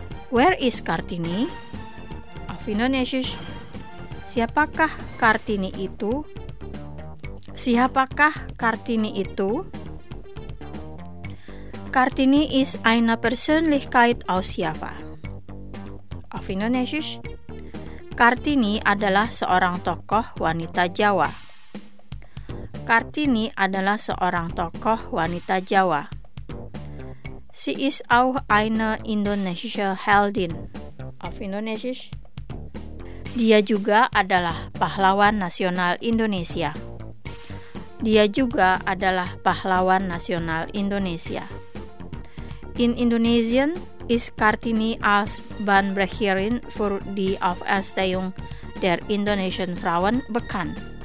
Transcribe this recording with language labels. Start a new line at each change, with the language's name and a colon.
English: Where is Kartini?
German: Auf Indonesisch.
Indonesian: Siapakah Kartini itu? Siapakah Kartini itu?
German: Kartini is eine Persönlichkeit aus Java. Auf Indonesisch.
Indonesian: Kartini adalah seorang tokoh wanita Jawa. Kartini adalah seorang tokoh wanita Jawa.
English: She is
German: auch eine Indonesische Heldin. Auf Indonesisch.
Indonesian: Dia juga adalah pahlawan nasional Indonesia. Dia juga adalah pahlawan nasional Indonesia.
English: In Indonesian,
German: is Kartini als Bahnbrecherin für die Auferstehung der Indonesian Frauen bekannt.